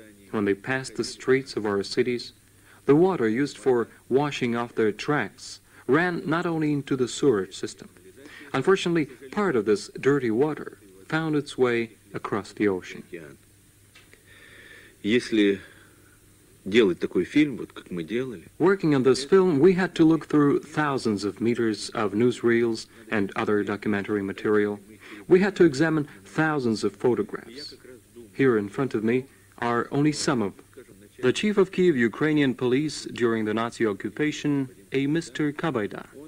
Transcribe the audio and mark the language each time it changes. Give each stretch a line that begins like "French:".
English: When they passed the streets of our cities, the water used for washing off their tracks ran not only into the sewerage system. Unfortunately, part of this dirty water found its way across the ocean.
Russian: Если делать такой фильм, вот как мы делали.
English: Working on this film, we had to look through thousands of meters of newsreels and other documentary material. We had to examine thousands of photographs. Here in front of me are only some of the chief of Kyiv Ukrainian police during the Nazi occupation, a Mr. Kabayda.